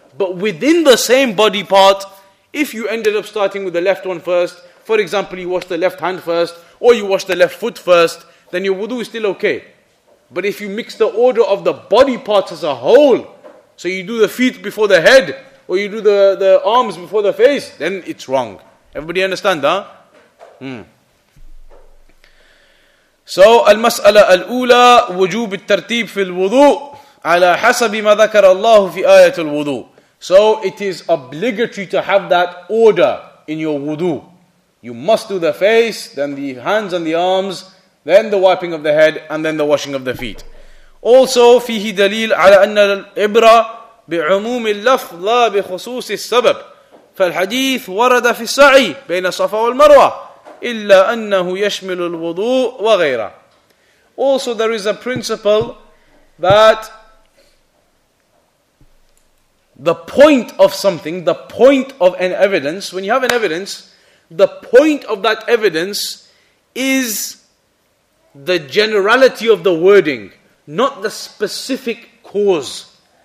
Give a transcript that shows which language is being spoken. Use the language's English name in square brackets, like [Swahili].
[English] But within the same body part, if you ended up starting with the left one first, for example, you wash the left hand first, or you wash the left foot first, then your wudu is still okay. But if you mix the order of the body parts as a whole, so you do the feet before the head, or you do the arms before the face, then it's wrong. Everybody understand, huh? [Arabic] So, المسألة الأولى وجوب الترتيب في الوضوء على حسب ما ذكر الله في آية الوضوء. [English] So, it is obligatory to have that order in your wudu. You must do the face, then the hands and the arms, then the wiping of the head, and then the washing of the feet. [Arabic] Also, فيه دليل على أن العبرة بعموم اللفظ لا بخصوص السبب. فالحديث ورد في السعي بين الصفا والمروة إلا أنه يشمل الوضوء وغيره. [English] Also, there is a principle that the point of something, the point of an evidence, when you have an evidence, the point of that evidence is the generality of the wording, not the specific cause.